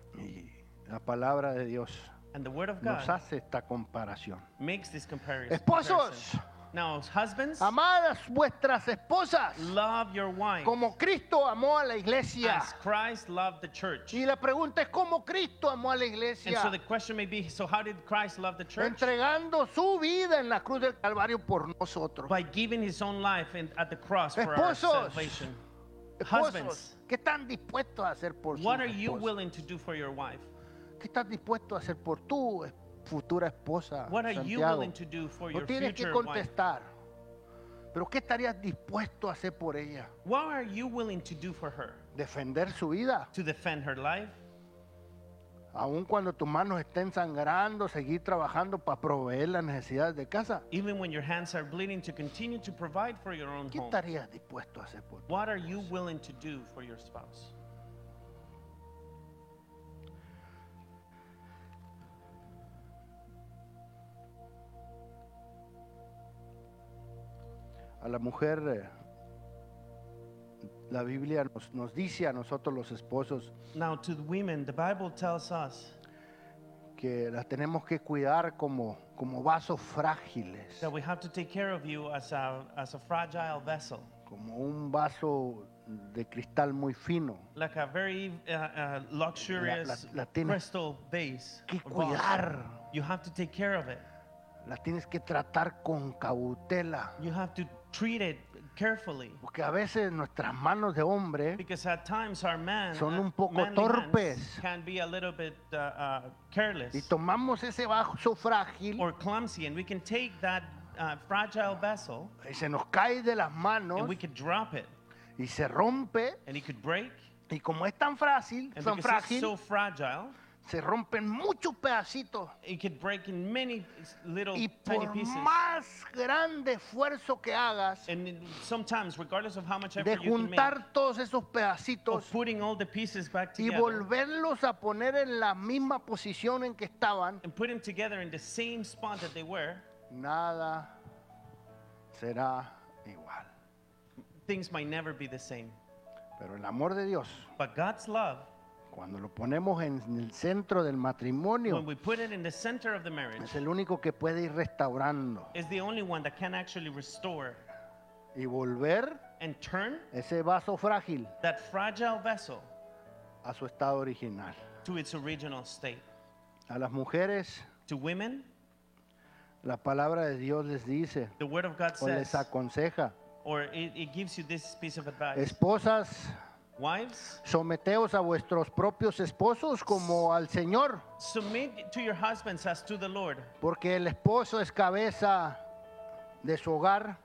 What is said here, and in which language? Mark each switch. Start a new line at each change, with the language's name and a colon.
Spanish: Y la palabra de Dios.
English: And the word of God.
Spanish: Nos hace esta comparación.
English: Makes this comparison.
Spanish: Esposos.
English: Now, husbands,
Spanish: amadas vuestras esposas,
English: love your wife,
Spanish: como Cristo amó a la iglesia,
English: as Christ loved the church.
Spanish: Y la pregunta es, ¿cómo Cristo amó a la iglesia?
English: And so the question may be, so how did Christ love the church?
Spanish: Entregando su vida en la cruz del Calvario por nosotros.
English: By giving his own life at the cross for
Spanish: esposos,
English: our salvation.
Spanish: Husbands, ¿qué están dispuestos a hacer por su esposa? What
English: are you willing to do for your wife?
Spanish: ¿Qué estás dispuesto a hacer por tu esposa? Futura esposa,
English: what are
Spanish: Santiago,
English: you willing to do for your
Spanish: no tienes
English: future
Spanish: que contestar,
English: wife?
Spanish: Pero ¿qué estarías dispuesto a hacer por ella?
English: What are you willing to do for her?
Spanish: Defender su vida.
English: To defend her life.
Spanish: Aun cuando tus manos estén sangrando, seguir trabajando para proveer las necesidades de casa.
English: Even when your hands are bleeding, to continue to provide for your own
Spanish: ¿qué
English: home?
Spanish: Estarías dispuesto a hacer por
English: what tu are you willing to do for your spouse? Spouse?
Spanish: la mujer, la Biblia nos dice a nosotros los esposos.
English: Now to the women, the Bible tells us
Spanish: que las tenemos que cuidar como vasos frágiles.
English: That we have to take care of you as a fragile vessel.
Spanish: Como un vaso de cristal muy fino.
English: Like a very luxurious crystal base.
Spanish: Que cuidar.
English: You have to take care of it.
Spanish: La tienes que tratar con cautela.
English: You have to treat it carefully.
Spanish: Porque a veces nuestras manos de hombre son un poco torpes.
English: Can be a little bit careless.
Spanish: Y tomamos ese vaso frágil.
English: Or clumsy, and we can take that fragile vessel.
Spanish: Y se nos cae de las manos.
English: And we could drop it.
Spanish: Y se rompe.
English: And it could break.
Spanish: Y como es tan frágil, tan frágil.
English: So fragile.
Spanish: Se rompen muchos pedacitos.
English: It could break in many little tiny pieces.
Spanish: Y por más grande esfuerzo que hagas,
English: and sometimes, regardless of how much effort you can make,
Spanish: de juntar todos esos pedacitos,
English: of putting all the pieces back together,
Spanish: y volverlos a poner en la misma posición en que estaban,
English: and put them together in the same spot that they were,
Spanish: nada será igual.
English: Things might never be the same.
Spanish: Pero el amor de Dios,
English: but God's love,
Spanish: cuando lo ponemos en el centro del matrimonio,
English: when we put it in the center of the marriage,
Spanish: es el único que puede ir restaurando.
English: Is the only one that can actually restore.
Spanish: Y volver,
English: and turn
Spanish: ese vaso frágil,
English: that fragile vessel,
Spanish: a su estado original,
English: to its original state.
Spanish: A las mujeres,
English: to women,
Spanish: la palabra de Dios les dice,
English: the word of God
Spanish: o
English: says,
Spanish: les aconseja,
English: or it gives you this piece of advice.
Spanish: Esposas,
English: wives,
Spanish: someteos a vuestros propios esposos como al Señor.
English: Submit to your husbands as to the Lord.
Spanish: Porque el esposo es cabeza de su hogar.